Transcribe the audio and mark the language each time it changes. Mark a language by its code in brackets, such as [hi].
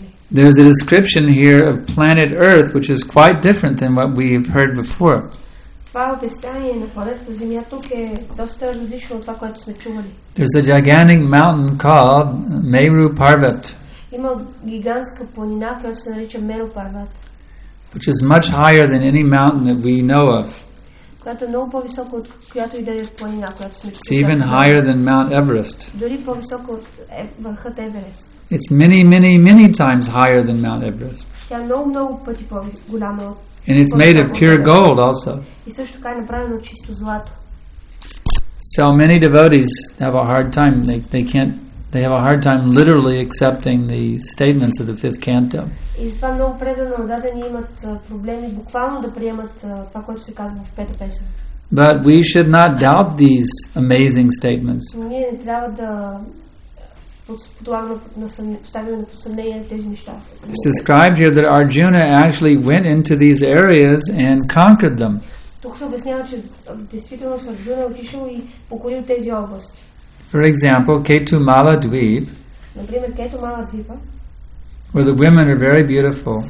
[en] There is a description here of planet Earth which is quite different than what we have heard before. There's a gigantic mountain called Meru Parvat. [bg] Има гигантска планина, която се нарича Меру Парват. [en] Which is much higher than any mountain that we know of. [bg] Която е много по-висока от която и да е планина, която сме чули. [en] Even higher than Mount Everest. [bg] Дори по-висока от върхът Еверест. [en] It's many, many, many times higher than Mount Everest. [bg] Тя е много, много пъти по-голяма. [en] And it's made of pure gold also. [bg] И също така е направено от чисто злато. [en] So many devotees have a hard time. They have a hard time literally accepting the statements of the fifth canto. [bg] И затова много предано дадени имат проблеми буквално да приемат това, което се казва в пета песен. [en] But we should not doubt these amazing statements. [bg] Ние не трябва да поставяме на съмнение тези неща. [en] It's described here that Arjuna actually went into these areas and conquered them. [bg] Тук се обяснява, че действително Арджуна отишъл и покорил тези области. [en] For example, Ketumala Dweep, [bg] например, Ketumala Dweepa, [en] where the women are very beautiful,